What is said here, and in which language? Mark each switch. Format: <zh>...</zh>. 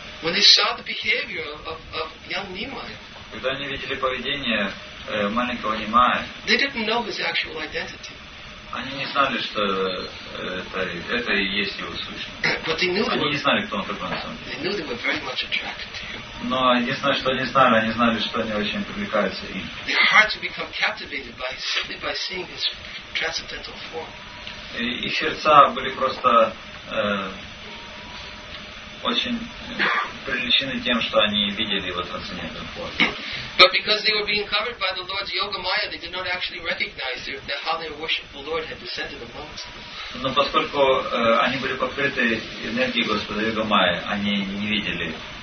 <en>when they saw the behavior of young Nimai,</en> <ru>когда они видели поведение маленького Нимая,</ru> <en>they didn't know his actual identity.</en> <ru>Они не знали, что это и есть его сущность. Они не знали, кто он такой на самом деле.</ru> <en>They knew they were very much attracted to him.</en> <ru>Но единственное, что они знали, что они очень привлекаются им.</ru> <en>Their hearts would become captivated by simply by seeing his transcendental form.</en> <ru>И сердца были просто очень привлечены тем, что они видели его трансцендентную форму.</ru> <en>But because they were being covered by the Lord's yoga maya, they did not actually recognize that how their worshipful Lord had descended amongst them.</en> <ru>Но поскольку они были покрыты энергией Господа йога майя, они не видели.</ru>